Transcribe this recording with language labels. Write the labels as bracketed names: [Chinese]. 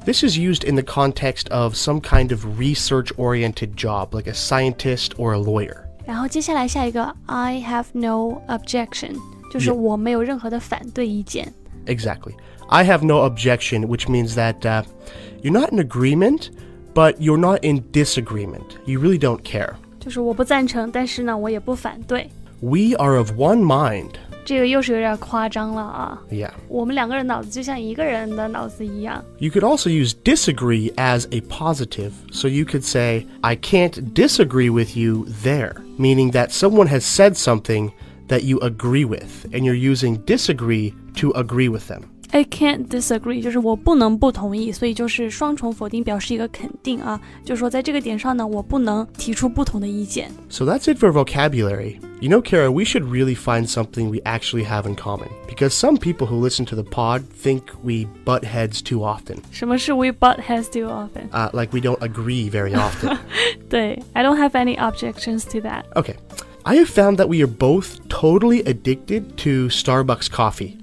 [English] This is used in the context of some kind of research-oriented job, like a scientist or a lawyer. [Chinese] 然后接下来下一个 [English] I have no objection, [Chinese] 就是我没有任何的反对意见。 [English] Exactly. I have no objection, which means that you're not in agreement, but you're not in disagreement. You really don't care. [Chinese] 就是我不赞成，但是呢，我也不反对。 [English] We are of one mind. [Chinese] 这个又是有点夸张了啊 [English] Yeah. [Chinese] 我们两个人脑子就像一个人的脑子一样 [English] You could also use disagree as a positive. So you could say, I can't disagree with you there. Meaning that someone has said something that you agree with. And you're using disagree to agree with them. I can't disagree. [Chinese] 就是我不能不同意。所以就是双重否定表示一个肯定啊。就是说在这个点上呢我不能提出不同的意见。 [English] So that's it for vocabulary. You know, Kara, we should really find something we actually have in common. Because some people who listen to the pod think we butt heads too often. [Chinese] 什么是 [English] we butt heads too often? Like we don't agree very often. 对, I don't have any objections to that. Okay, I have found that we are both totally addicted to Starbucks coffee.